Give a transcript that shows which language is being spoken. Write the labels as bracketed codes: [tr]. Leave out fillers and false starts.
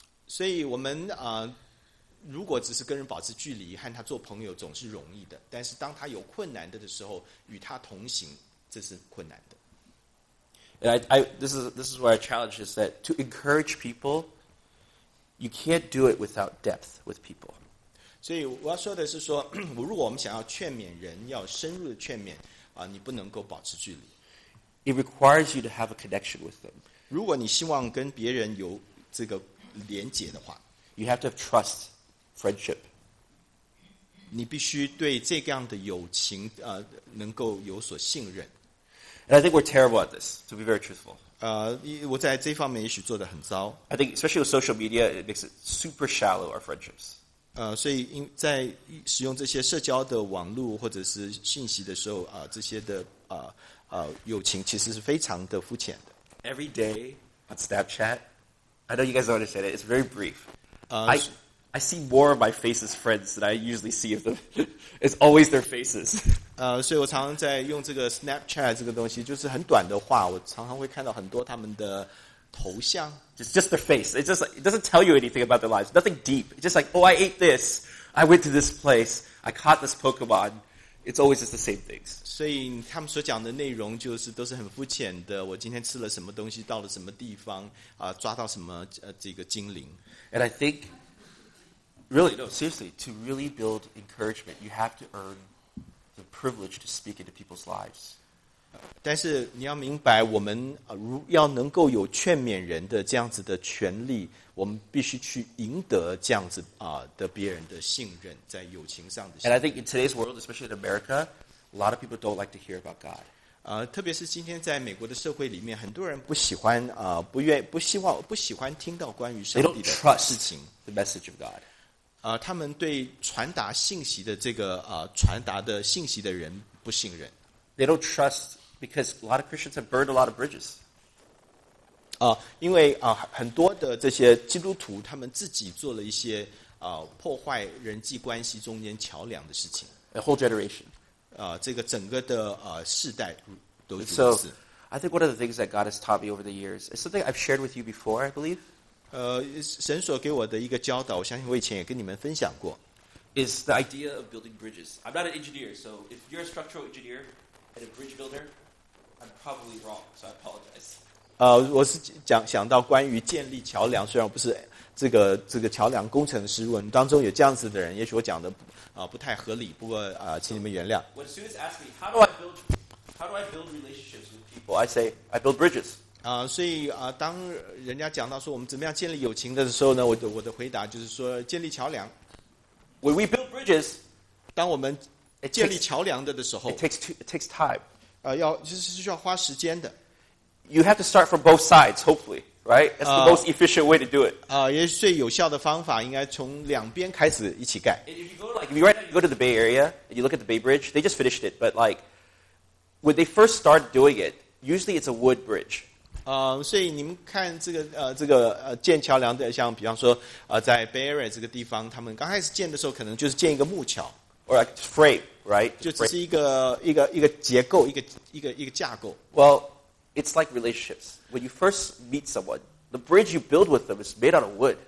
[zh] 所以我们如果只是跟人保持距离和他做朋友总是容易的，但是当他有困难的时候与他同行这是困难的。 [en] And this is what I challenge is that to encourage people, you can't do it without depth with people. [zh] 所以我要说的是说，如果我们想要劝勉人，要深入的劝勉，你不能够保持距离。 [en] It requires you to have a connection with them. [zh] 如果你希望跟别人有这个连结的话 [en] ，you have to have trust, friendship. [zh] 你必须对这样的友情能够有所信任。 [en] And I think we're terrible at this, to be very truthful. [zh] 我在这方面也许做得很糟。 [en] I think, especially with social media, it makes it super shallow, our friendships. [zh] 所以在使用这些社交的网络或者是信息的时候，这些的友情其实是非常的肤浅的。 [en] Every day on Snapchat, I know you guys don't understand it, it's very brief. I see more of my faces friends than I usually see of them. It's always their faces. [zh] 所以我常常在用这个 Snapchat 这个东西，就是很短的话，我常常会看到很多他们的头像。 [en] It's just their face. It's just like, it doesn't tell you anything about their lives. Nothing deep. It's just like, oh, I ate this. I went to this place. I caught this Pokemon. It's always just the same things. [zh] 所以他们所讲的内容就是都是很肤浅的。我今天吃了什么东西，到了什么地方，抓到什么这个精灵。 [en] And I think, really, no, seriously, to really build encouragement, you have to earn. The privilege to speak into people's lives. [zh] 但是你要明白，我们要能够有劝勉人的这样子的权利，我们必须去赢得这样子的别人的信任，在友情上的信任。 [en] And I think in today's world, especially in America, a lot of people don't like to hear about God. [zh] 特别是今天在美国的社会里面，很多人不喜欢不愿不希望不喜欢听到关于上帝的事情。 [en] They don't trust the message of God. [zh] 他们对传达信息的这个传达的信息的人不信任。 [en] They don't trust because a lot of Christians have burned a lot of bridges. [zh] 因为很多的这些基督徒他们自己做了一些破坏人际关系中间桥梁的事情。 [en] A whole generation. [zh] 这个整个的世代都如此。 [en] So, I think one of the things that God has taught me over the years is something I've shared with you before, I believe. [zh] 神所给我的一个教导，我相信我以前也跟你们分享过。 [en] Is the idea of building bridges? I'm not an engineer, so if you're a structural engineer and a bridge builder, I'm probably wrong, so I apologize. [zh] 我是想到关于建立桥梁，虽然我不是这个桥梁工程师，我们当中有这样子的人，也许我讲的不太合理，不过请你们原谅。 [en] So, when students ask me how do I build relationships with people, I say I build bridges. [zh] 所以当人家讲到说我们怎么样建立友情的时候呢，我的回答就是说建立桥梁。 [en] When we build bridges, [zh] 当我们建立桥梁的时候 [en] it takes time. [zh] 需要花时间的。 [en] You have to start from both sides, hopefully, right? That's the most efficient way to do it. [zh] 也许最有效的方法应该从两边开始一起盖。 [en] If you go to the Bay Area, and you look at the Bay Bridge, they just finished it, but like, when they first start doing it, usually it's a wood bridge. [zh] 所以你们看这个建桥梁的，像比方说在 Bay Area 这个地方，他们刚开始建的时候，可能就是建一个木桥 [en] ，or like frame, right? [zh] 就只是一个结构，一个架构。 [en] Well, it's like relationships. When you first meet someone, the bridge you build with them is made out of wood.